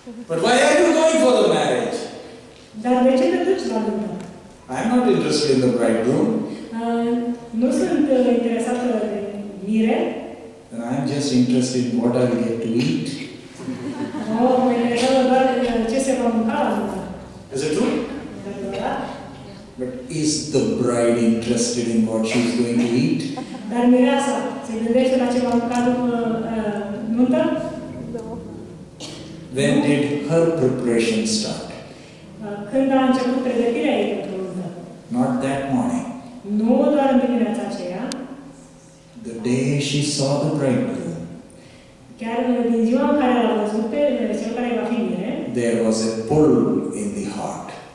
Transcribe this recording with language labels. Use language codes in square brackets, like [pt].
[en] But why are you going for the marriage? [ro] Dar de ce te duci la nuntă? [en] I'm not interested in the bridegroom. [ro] Nu sunt interesată de mire. [en] And I'm just interested in what I will get to eat. [ro] Oh, mă interesează doar ce se va mânca la nuntă. [en] Is it true? But is the bride interested in what she's going to eat? [ro] Dar mireasa se gândește la ce va mânca după nuntă? [en] When did her preparation start? [ro] Când a început pregătirea ei? [en] Not that morning. [ro] Nu doar în dimineața aceea. [en] The day she saw the bridegroom. [ro] Chiar din ziua în care l-a văzut pe cel care va fi mire. [en] There was a pull in the heart.